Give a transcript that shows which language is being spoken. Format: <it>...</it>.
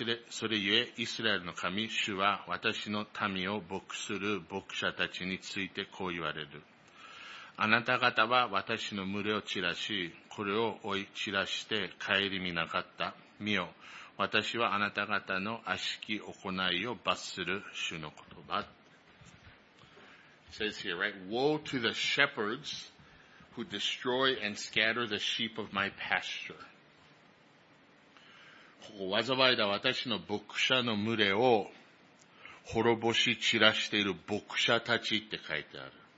<ja>それゆえ、イスラエルの神、主は、私の民を牧する牧者たちについてこう言われる。あなた方は私の群れを散らし、これを追い散らして帰り見なかった。見よ、私はあなた方の悪しき行いを罰する主の言葉。</ja> <en>It says here, right? Woe to the shepherds who destroy and scatter the sheep of my pasture.</en> <ja>ここ災いだ私の牧者の群れを滅ぼし散らしている牧者たちって書いてある。</ja>